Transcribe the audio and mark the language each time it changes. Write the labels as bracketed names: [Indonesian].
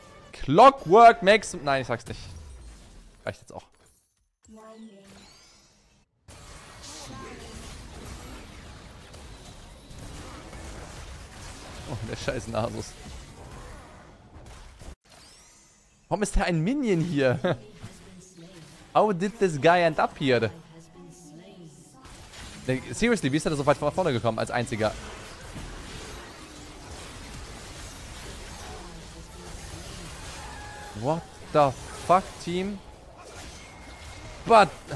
[German] Clockwork Max. Nein, ich sag's nicht. Reicht jetzt auch. Oh, der scheiß Nasus. Warum ist da ein Minion hier? [English] How did this guy end up here? [German] Seriously, wie ist er da so weit von vorne gekommen als einziger? [English] What the fuck, Team? But...